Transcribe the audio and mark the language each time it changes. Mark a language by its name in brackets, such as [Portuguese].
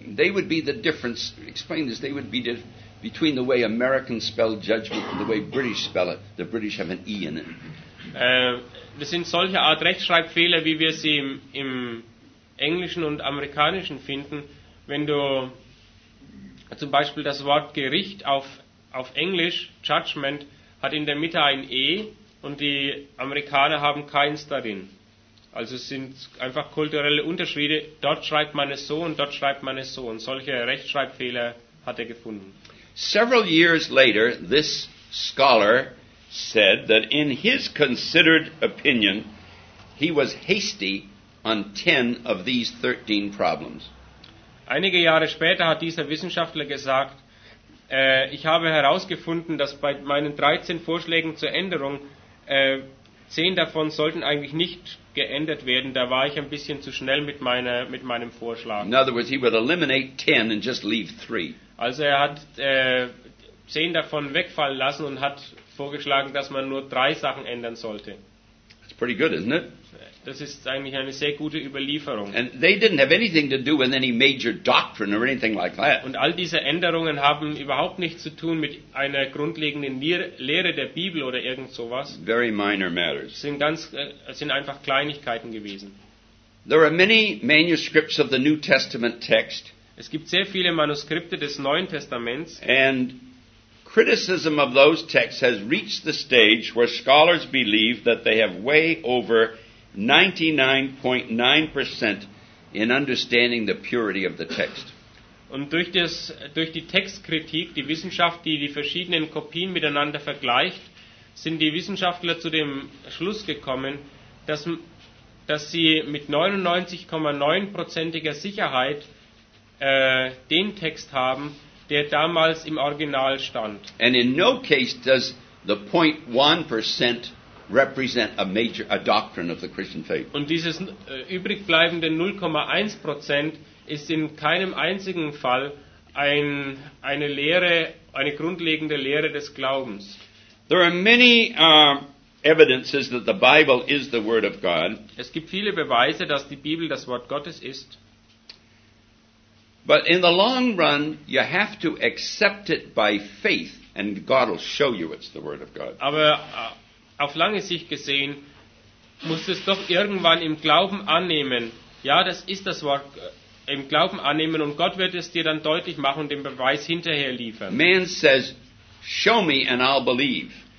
[English] They would be the difference, explain this, they would be the between the way Americans spell judgment and the way British spell it. The British have an E in it. [German] Das sind solche Art Rechtschreibfehler, wie wir sie im Englischen und Amerikanischen finden. Wenn du zum Beispiel das Wort Gericht auf Englisch, Judgment, hat in der Mitte ein E und die Amerikaner haben keins darin. Also es sind einfach kulturelle Unterschiede. Dort schreibt man es so und dort schreibt man es so. Und solche Rechtschreibfehler hat er gefunden. [English] Several years later, this scholar said that in his considered opinion, he was hasty on 10 of these 13 problems. [German] Einige Jahre später hat dieser Wissenschaftler gesagt, ich habe herausgefunden, dass bei meinen 13 Vorschlägen zur Änderung, 10 davon sollten eigentlich nicht geändert werden. Da war ich ein bisschen zu schnell mit meinem Vorschlag. [English] In other words, he would eliminate 10 and just leave 3. [German] Also er hat 10 davon wegfallen lassen und hat vorgeschlagen, dass man nur 3 Sachen ändern sollte. [English] That's pretty good, isn't it? [German] Das ist eigentlich eine sehr gute Überlieferung. [English] And they didn't have anything to do with any major doctrine or anything like that. [German] Und all diese Änderungen haben überhaupt nichts zu tun mit einer grundlegenden Lehre der Bibel oder irgend sowas. [English] Very minor matters. [German] Sind einfach Kleinigkeiten gewesen. [English] There are many manuscripts of the New Testament text. [German] Es gibt sehr viele Manuskripte des Neuen Testaments. [English] And criticism of those texts has reached the stage where scholars believe that they have way over 99.9% in understanding the purity of the text. [German] Und durch die Textkritik, die Wissenschaft, die die verschiedenen Kopien miteinander vergleicht, sind die Wissenschaftler zu dem Schluss gekommen, dass sie mit 99,9%iger Sicherheit den Text haben, der damals im Original stand. [English] And in no case does the 0.1% represent a doctrine of the Christian faith. [German] Und dieses übrig bleibende 0,1% ist in keinem einzigen Fall eine Lehre, eine grundlegende Lehre des Glaubens. [English] There are many evidences that the Bible is the Word of God. [German] Es gibt viele Beweise, dass die Bibel das Wort Gottes ist. [English] But in the long run, you have to accept it by faith, and God will show you it's the Word of God. [German] Aber auf lange Sicht gesehen muss es doch irgendwann im Glauben annehmen. Ja, das ist das Wort. Im Glauben annehmen, und Gott wird es dir dann deutlich machen und den Beweis hinterher liefern. [English] Man says, show me and I'll believe.